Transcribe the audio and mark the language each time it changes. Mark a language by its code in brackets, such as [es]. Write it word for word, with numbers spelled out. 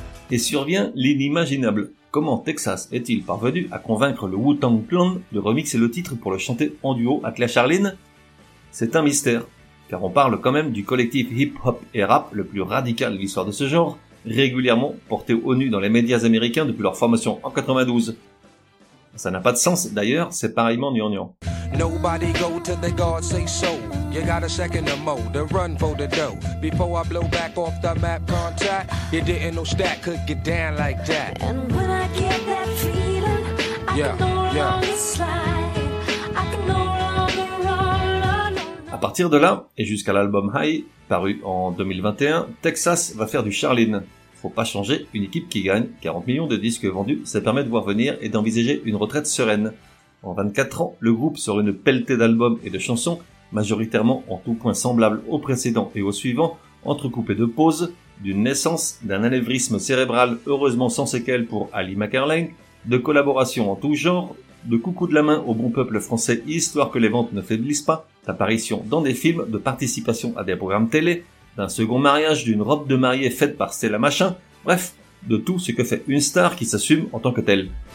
[fr] Et survient l'inimaginable. Comment Texas est-il parvenu à convaincre le Wu-Tang Clan de remixer le titre pour le chanter en duo avec la Charline ? C'est un mystère, car on parle quand même du collectif hip-hop et rap le plus radical de l'histoire de ce genre, régulièrement porté au nu dans les médias américains depuis leur formation en quatre-vingt-douze. Ça n'a pas de sens d'ailleurs, c'est pareillement gnangnan. [en] Nobody go till the guards say so. You got a second to mow, to run for the dough. Before I blow back off the map contact, you didn't know Stack could get down like that. And when I get that feeling, I yeah, can no yeah. longer slide. I can no longer run, run, run. [fr] À partir de là, et jusqu'à l'album High, paru en deux mille vingt et un, Texas va faire du Charline. Faut pas changer une équipe qui gagne, quarante millions de disques vendus, ça permet de voir venir et d'envisager une retraite sereine. En vingt-quatre ans, le groupe sort une pelletée d'albums et de chansons, majoritairement en tout point semblables aux précédents et aux suivants, entrecoupés de pauses, d'une naissance, d'un anévrisme cérébral heureusement sans séquelles pour Ali McArling, de collaborations en tout genre, de coucou de la main au bon peuple français histoire que les ventes ne faiblissent pas, d'apparitions dans des films, de participation à des programmes télé, d'un second mariage, d'une robe de mariée faite par Stella Machin, bref, de tout ce que fait une star qui s'assume en tant que telle.